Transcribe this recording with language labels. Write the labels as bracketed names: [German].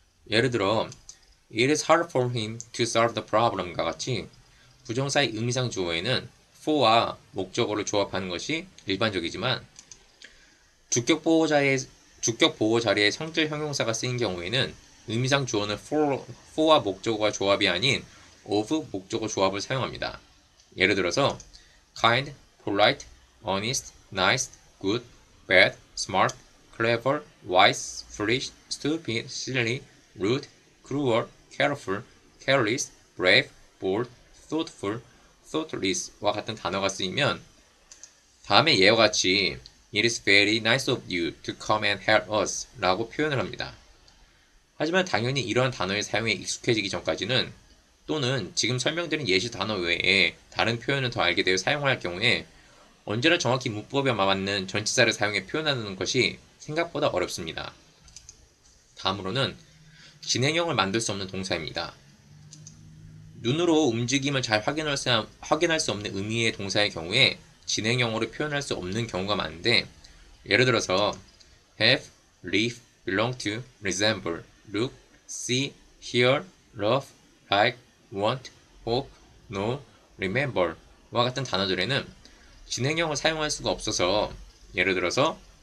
[Korean] 예를 들어, [English] It is hard for him to solve the problem [Korean] 과 같이 부정사의 의미상 주어에는 for와 목적어를 조합하는 것이 일반적이지만, 주격 보호 자리에 성질 형용사가 쓰인 경우에는 의미상 주어는 for와 목적어가 조합이 아닌 of 목적어 조합을 사용합니다. 예를 들어서 kind, polite, honest, nice, good, bad, smart, clever, wise, foolish, stupid, silly, rude, cruel, careful, careless, brave, bold, thoughtful, thoughtless와 같은 단어가 쓰이면 다음에 예와 같이 [English] It is very nice of you to come and help us [Korean] 라고 표현을 합니다. 하지만 당연히 이러한 단어의 사용에 익숙해지기 전까지는 또는 지금 설명드린 예시 단어 외에 다른 표현을 더 알게 되어 사용할 경우에 언제나 정확히 문법에 맞는 전치사를 사용해 표현하는 것이 생각보다 어렵습니다. 다음으로는 진행형을 만들 수 없는 동사입니다. 눈으로 움직임을 잘 확인할 수 없는 의미의 동사의 경우에 진행형으로 표현할 수 없는 경우가 많은데, 예를 들어서 have, live, belong to, resemble, look, see, hear, love, like, want, hope, know, remember와 같은 단어들에는 진행형을 사용할 수가 없어서, 예를 들어서